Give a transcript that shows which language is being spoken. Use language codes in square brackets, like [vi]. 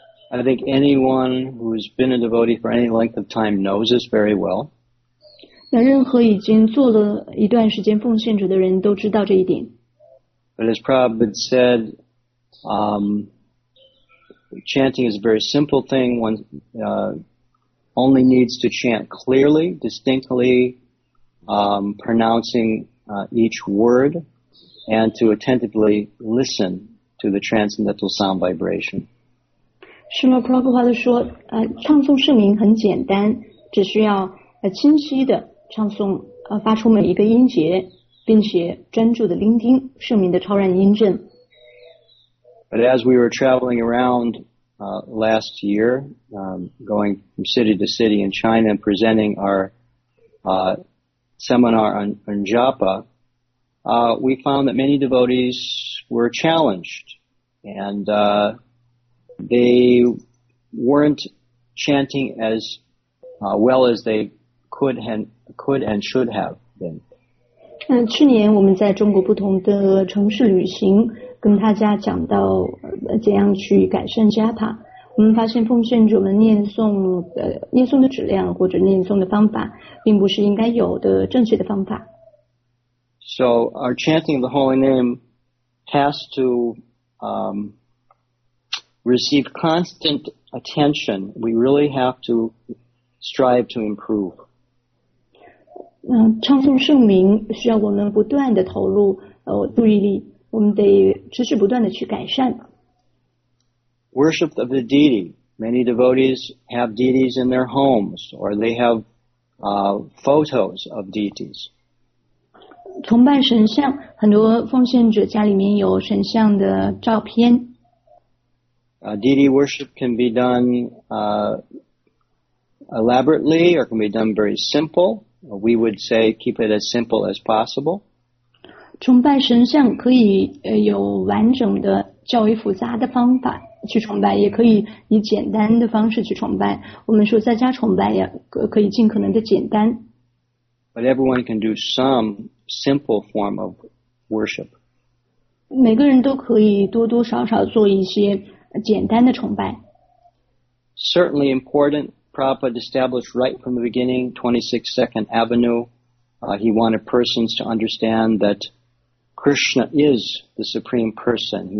[en] I think anyone who's been a devotee for any length of time knows this very well. [zh] 那任何已经做了一段时间奉献者的人都知道这一点。 [en] But as Prabhupada said, chanting is a very simple thing. One only needs to chant clearly, distinctly, pronouncing each word, and to attentively listen to the transcendental sound vibration. [zh] Srila Prabhupada 说，唱诵圣名很简单，只需要清晰的唱诵，发出每一个音节，并且专注的聆听圣名的超然音振。 [en] But as we were traveling around last year, going from city to city in China and presenting our seminar on japa, we found that many devotees were challenged and they weren't chanting as well as they could and should have been. [zh] 去年我们在中国不同的城市旅行，跟大家讲到怎样去改善加塔，我们发现奉献者们念诵的质量或者念诵的方法并不是应该有的正确的方法。 [en] So our chanting of the holy name has to receive constant attention. We really have to strive to improve. [zh] 唱诵圣名需要我们不断的投入注意力，我们得持续不断的去改善。 [en] Worship of the deity. Many devotees have deities in their homes, or they have photos of deities. [zh] 崇拜神像，很多奉献者家里面有神像的照片。 [en] Deity worship can be done elaborately, or can be done very simple. We would say keep it as simple as possible. [zh] 崇拜神像可以有完整的较为复杂的方法去崇拜，也可以以简单的方式去崇拜。我们说在家崇拜呀，可以尽可能的简单。 [en] But everyone can do some simple form of worship. [zh] 每个人都可以多多少少做一些简单的崇拜。 [en] Certainly important, Prabhupada established right from the beginning, 26 Second Avenue. He wanted persons to understand that Krishna is the Supreme Person.